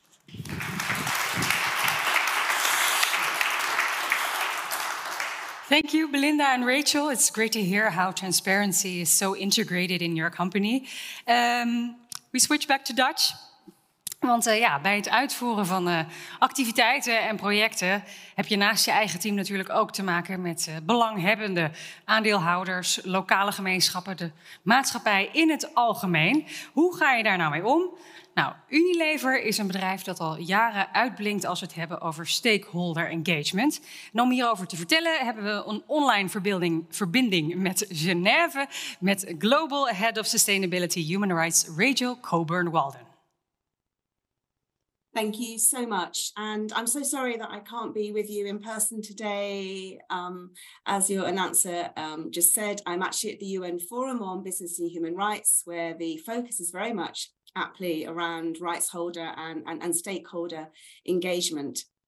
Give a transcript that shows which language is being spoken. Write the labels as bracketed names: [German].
[English] Thank you, Belinda and Rachel. It's great to hear how transparency is so integrated in your company. We switch back to Dutch. [Dutch] Want bij het uitvoeren van activiteiten en projecten heb je naast je eigen team natuurlijk ook te maken met belanghebbende aandeelhouders, lokale gemeenschappen, de maatschappij in het algemeen. Hoe ga je daar nou mee om? Nou, Unilever is een bedrijf dat al jaren uitblinkt als we het hebben over stakeholder engagement. En om hierover te vertellen hebben we een online verbinding met Genève, met Global Head of Sustainability Human Rights, Rachel Coburn-Walden. [English] Thank you so much. And I'm so sorry that I can't be with you in person today. As your announcer just said, I'm actually at the UN Forum on Business and Human Rights, where the focus is very much aptly around rights holder and stakeholder engagement.